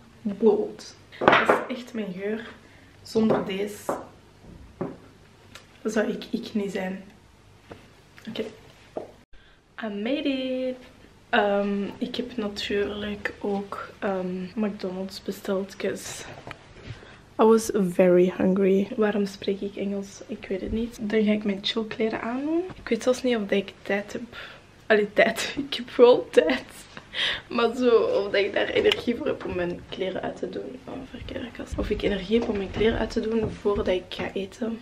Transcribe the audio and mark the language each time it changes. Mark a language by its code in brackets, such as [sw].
[nl] Bold. Dat is echt mijn geur. Zonder deze zou ik niet zijn. Oké. [en] Okay. I made it. [nl] Ik heb natuurlijk ook McDonald's besteld. [en] Because I was very hungry. [nl] Waarom spreek ik Engels? Ik weet het niet. Dan ga ik mijn chillkleren aandoen. Ik weet zelfs niet of ik tijd heb. Allee, tijd. Ik heb wel tijd. Maar zo, of dat ik daar energie voor heb om mijn kleren uit te doen. Oh, verkeerde kast. Of ik energie heb om mijn kleren uit te doen voordat ik ga eten.